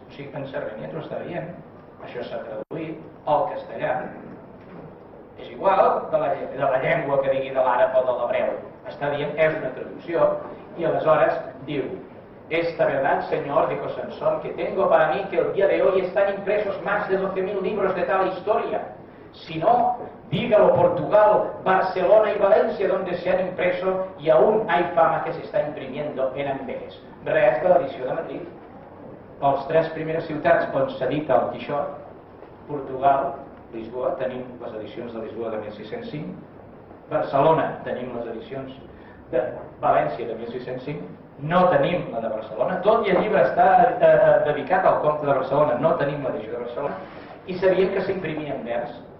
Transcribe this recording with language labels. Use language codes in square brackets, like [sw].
[ca] O sigui, en Cervantes està bien, això s'ha traduït al castellà. És igual de la llengua que digui de l'àrab o de l'hebreu. Està dient, és una traducció, i aleshores diu, [es] Esta verdad, señor, dijo Sansón, que tengo para mí que el día de hoy están impresos más de 12.000 libros de tal historia. Si no, dígalo Portugal, Barcelona y Valencia, donde se han impreso y aún hay fama que se está imprimiendo en Amberes. [ca] Reaz de la edició de Madrid. Pels tres primeres ciutats on s'edita el Quixot, Portugal, Lisboa, tenim les edicions de Lisboa de 1605, Barcelona, tenim les edicions de València de 1605, no tenim la de Barcelona, tot i el llibre està dedicat al comte de Barcelona, no tenim l'edició de Barcelona, i sabíem que s'imprimia en vers.